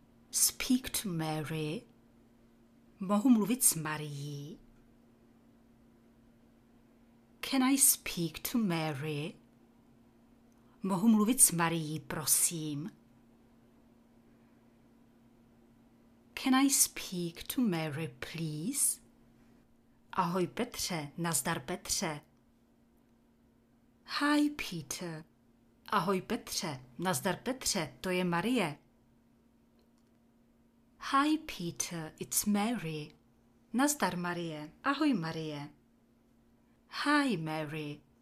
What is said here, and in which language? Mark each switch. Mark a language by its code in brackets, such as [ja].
[en] Speak to Mary. [cs] Mohu mluvit s Marií. [en] Can I speak to Mary? [cs] Mohu mluvit s Marií, prosím. [en] Can I speak to Mary, please? [cs] Ahoj Petře, nazdar Petře. [en] Hi Peter. [cs] Ahoj Petře, nazdar Petře, to je Marie. [en] Hi Peter, it's Mary. [cs] Nazdar Marie, ahoj Marie. [en] Hi Mary.